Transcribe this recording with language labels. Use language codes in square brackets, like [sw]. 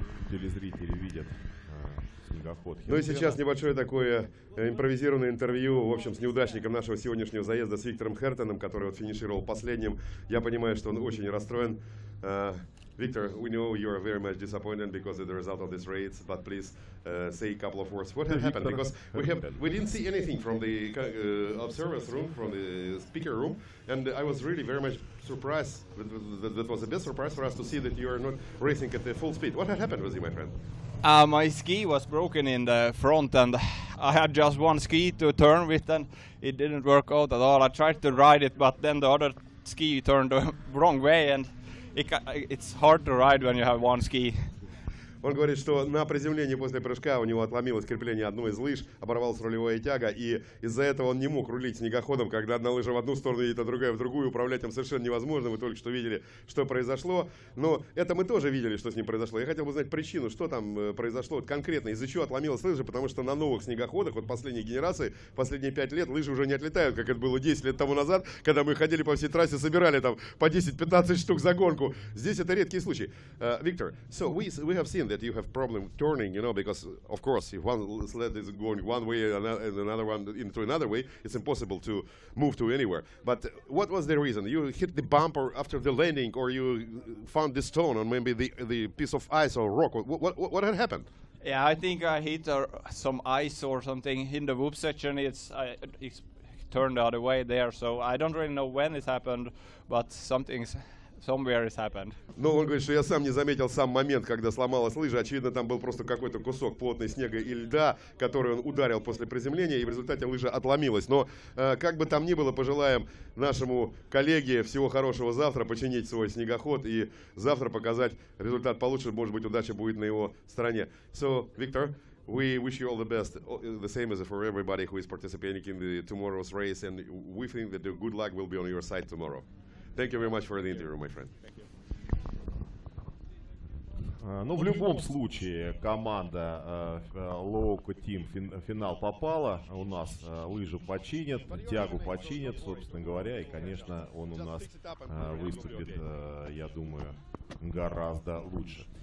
[ru] Телезрители видят снегоход. Ну и сейчас небольшое такое импровизированное интервью, в общем, с неудачником нашего сегодняшнего заезда, с Виктором Хертеном, который вот финишировал последним. Я понимаю, что он очень расстроен. [en] Виктор, we know you are very much disappointed because of the result of this race, but please say a couple of words. What happened? Because we didn't see anything from the observers room, from the speaker room, and I was really very much surprised. That was the best surprise for us to see that you are not racing at the full speed. What had happened with you, my friend? My ski was broken in the front, and I had just one ski to turn with, and it didn't work out at all. I tried to ride it, but then the other ski turned the wrong way, and it's hard to ride when you have one ski. [ru] Он говорит, что на приземлении после прыжка у него отломилось крепление одной из лыж, оборвалась рулевая тяга, и из-за этого он не мог рулить снегоходом, когда одна лыжа в одну сторону едет, а другая в другую, управлять им совершенно невозможно. Вы только что видели, что произошло. Но это мы тоже видели, что с ним произошло. Я хотел бы знать причину, что там произошло вот конкретно, из-за чего отломилась лыжа, потому что на новых снегоходах, вот последней генерации, последние 5 лет лыжи уже не отлетают, как это было 10 лет тому назад, когда мы ходили по всей трассе, собирали там по 10-15 штук за гонку. Здесь это редкий случай. Виктор, [en] so we have seen mind that you have problem turning, you know, because of course if one sled is going one way and another one into another way, it's impossible to move to anywhere. But what was the reason? You hit the bumper after the landing, or you found the stone, or maybe the piece of ice or rock? What had happened? Yeah, I think I hit some ice or something in the whoop section. It's turned the other way there, so I don't really know when it happened, but something's somewhere has happened. [ru] Но он говорит, что я сам не заметил сам момент, когда сломалась лыжа. Очевидно, там был просто какой-то кусок плотной снега и льда, который он ударил после приземления, и в результате лыжа отломилась. Но как бы там ни было, пожелаем нашему коллеге всего хорошего завтра, починить свой снегоход и завтра показать результат получше. Может быть, удача будет на его стороне. [en] So, Victor, we wish you all the best. The same as for everybody who is participating in the tomorrow's race, and we think that the good luck will be on your side tomorrow. Thank you very much for the interview, my friend. [ru] Ну, в любом случае, команда Loco Team финал попала. У нас лыжи починят, тягу починят, собственно говоря. И, конечно, он у нас выступит, я думаю, гораздо лучше.